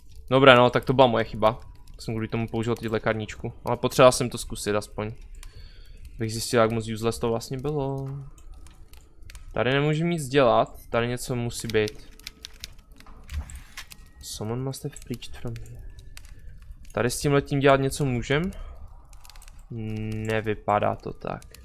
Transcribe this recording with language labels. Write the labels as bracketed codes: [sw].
[cs] Dobré, no, tak to byla moje chyba. Jsem kvůli tomu použil tyhle lékárničku. Ale potřeboval jsem to zkusit aspoň. Abych zjistil, jak moc useless to vlastně bylo. Tady nemůžu nic dělat, tady něco musí být. [en] Someone must have preached from here. [cs] Tady s tímhletím dělat něco můžem? Nevypadá to tak.